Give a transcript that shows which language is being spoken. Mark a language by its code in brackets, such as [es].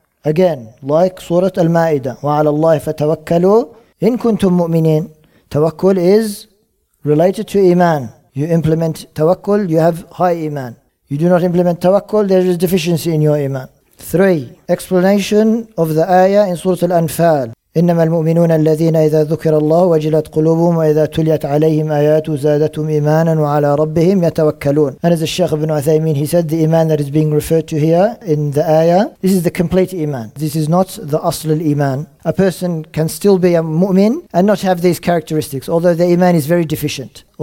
[en] Again, like Surat Al-Ma'idah. [ar] وَعَلَى اللَّهِ فَتَوَكَّلُوا إِن كُنْتُم مُؤْمِنِينَ. [en] Tawakkul is related to iman. You implement tawakkul, you have high iman. You do not implement tawakkul, there is deficiency in your iman. 3. Explanation of the ayah in Surat Al-Anfaal. [ar] إنما المؤمنون الذين إذا ذكر الله وجلت قلوبهم وإذا تليت عليهم آيات زادتهم إيمانا وعلى ربهم يتوكلون. [en] And as the Shaykh ibn Uthaymeen, he said, the iman that is being referred to here in the ayah, this is the complete iman. This is not the asl al-iman. A person can still be a mu'min and not have these characteristics, although the iman is very deficient.